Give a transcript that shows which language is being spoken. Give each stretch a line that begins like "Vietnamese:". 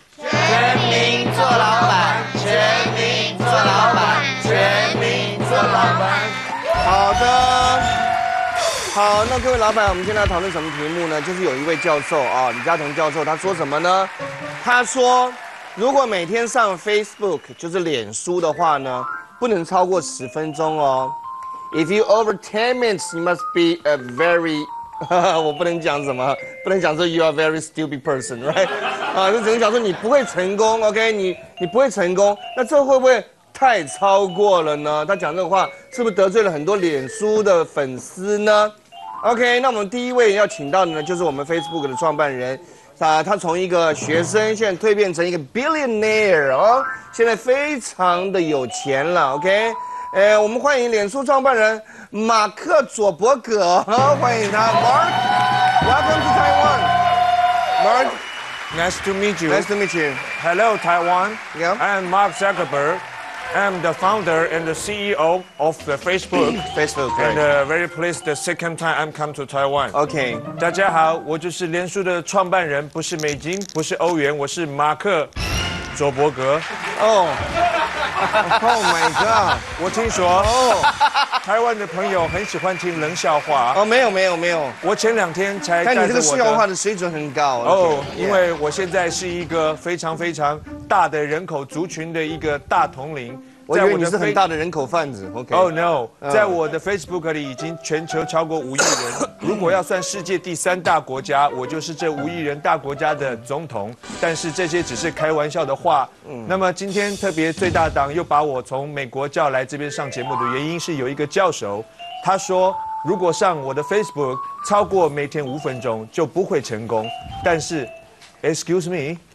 Chinese: 全民做老板，全民做老板，全民做老板。好的，好，那各位老板，我们今天来讨论什么题目呢？就是有一位教授啊，李嘉彤教授，他说什么呢？他说，如果每天上 Facebook 就是脸书的话呢，不能超过十分钟哦。
English: If you over 10 minutes, you must be a very,
Chinese: 我不能讲什么，不能讲说
English: you are very stupid person, right?
Chinese: 啊，就只能讲说你不会成功 ，OK? 你不会成功，那这会不会太超过了呢？他讲这个话是不是得罪了很多脸书的粉丝呢 ？OK, 那我们第一位要请到的呢，就是我们 Facebook 的创办人。他从一个学生现在蜕变成一个 billionaire 哦，现在非常的有钱了 ，OK？我们欢迎脸书创办人马克·佐伯格，欢迎他 ，
English: Mark， welcome to Taiwan， Mark， nice to meet you， nice to meet you， hello Taiwan， yeah， I'm Mark Zuckerberg， I'm the founder and the CEO of the Facebook， Facebook， and、very pleased the second time I'm come to Taiwan， OK，
Chinese: 大家好，我就是脸书的创办人，不是美金，不是欧元，我是马克·佐伯格，
English: 哦、Oh my god！
Chinese: 我听说，台湾的朋友很喜欢听冷笑话。哦，没有没有没有，我前两天才。但你这个笑话的水准很高。哦，因为我现在是一个非常非常大的人口族群的一个大统领。我以为你是很大的人口贩子。
English: OK。 Oh no！
Chinese: 在我的 Facebook 里已经全球超过5亿人。如果要算世界第三大国家，我就是这五亿人大国家的总统。但是这些只是开玩笑的话。那么今天特别最大党又把我从美国叫来这边上节目的原因是有一个教授，他说如果上我的 Facebook 超过每天五分钟就不会成功。
English: 但是 ，Excuse me。